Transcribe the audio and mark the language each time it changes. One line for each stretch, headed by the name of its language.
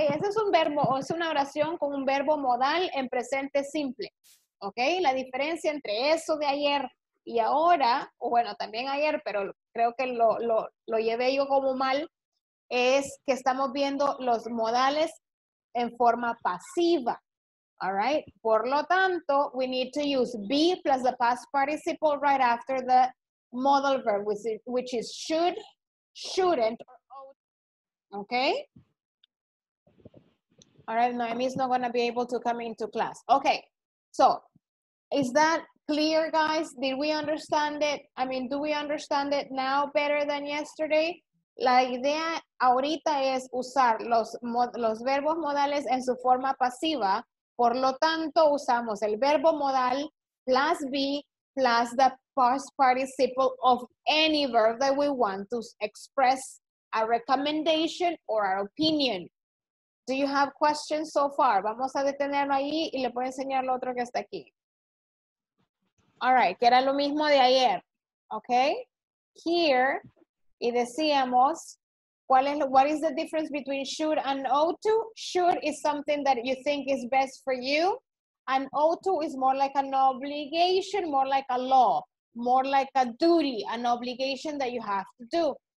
Spanish: Ese es un verbo, o es una oración con un verbo modal en presente simple, ¿ok? La diferencia entre eso de ayer y ahora, o bueno, también ayer, pero creo que lo llevé yo como mal, es que estamos viendo los modales en forma pasiva.
English: All right,
Spanish: por lo tanto,
English: we need to use be plus the past participle right after the modal verb, which is should, shouldn't, or ought. Okay? All right, Noemi's not gonna be able to come into class. Okay, so is that clear, guys? Did we understand it? I mean, do we understand it now better than yesterday?
Spanish: La idea ahorita es usar los verbos modales en su forma pasiva. Por lo tanto, usamos el verbo modal
English: plus be plus the past participle of any verb that we want to express a recommendation or our opinion. Do you have questions so far?
Spanish: Vamos a detenerlo ahí y le voy a enseñar lo otro que está aquí.
English: All right,
Spanish: que era lo mismo de ayer, okay?
English: Here,
Spanish: y decíamos,
English: what is the difference between should and ought to? Should is something that you think is best for you. And ought to is more like an obligation, more like a law, more like a duty, an obligation that you have to do.